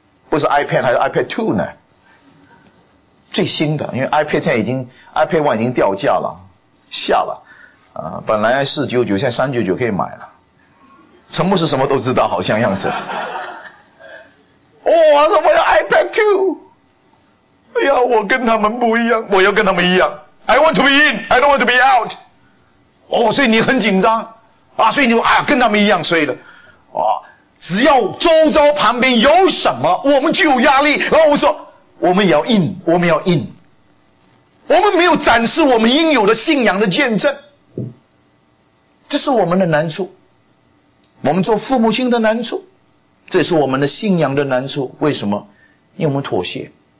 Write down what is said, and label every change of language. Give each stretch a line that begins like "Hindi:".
Chinese: 不是 iPad， 还是 iPad 2呢？最新的，因为 iPad 现在已经 iPad 1已经掉价了，下了，本来499，现在399可以买了。陈牧师什么都知道，好像样子。哇，什么叫 iPad 2？哎呀，我跟他们不一样，我要跟他们一样。
English: I want to be in, I don't want to be out。
Chinese: 哦，所以你很紧张。啊，所以你说啊，跟他们一样，所以的，啊，只要周遭旁边有什么，我们就有压力。然后我们说，我们也要 in， 我们要 in， 我们没有展示我们应有的信仰的见证，这是我们的难处，我们做父母亲的难处，这是我们的信仰的难处。为什么？因为我们妥协。